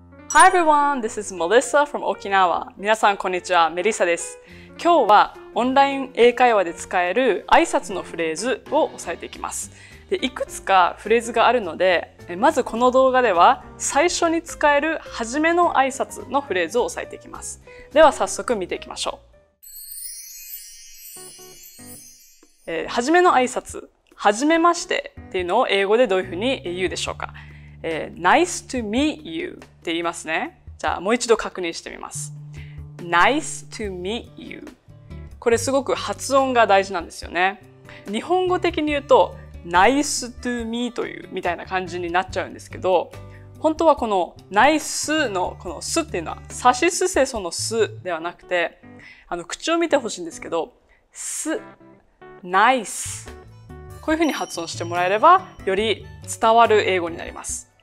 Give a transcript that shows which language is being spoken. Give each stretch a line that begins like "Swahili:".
English: Hi everyone, this is Melissa from Okinawa.
Japanese: 皆さんこんにちは、メリサです。今日はオンライン英会話で使える挨拶のフレーズを押さえていきます。で、いくつかフレーズがあるので、まずこの動画では最初に使える初めの挨拶のフレーズを押さえていきます。では早速見ていきましょう。初めの挨拶、はじめましてっていうのを英語でどういうふうに言うでしょうか。
English: Nice to meet you
Japanese: って言いますね。じゃあもう一度確認してみます。
English: Nice to meet you。
Japanese: これすごく発音が大事なんですよね。日本語的に言うと
English: Nice to me
Japanese: というみたいな感じになっちゃうんですけど、本当はこの Nice のこのすっていうのはさしすせそのすではなくて、口を見てほしいんですけど、す、Nice、こういうふうに発音してもらえればより伝わる英語になります。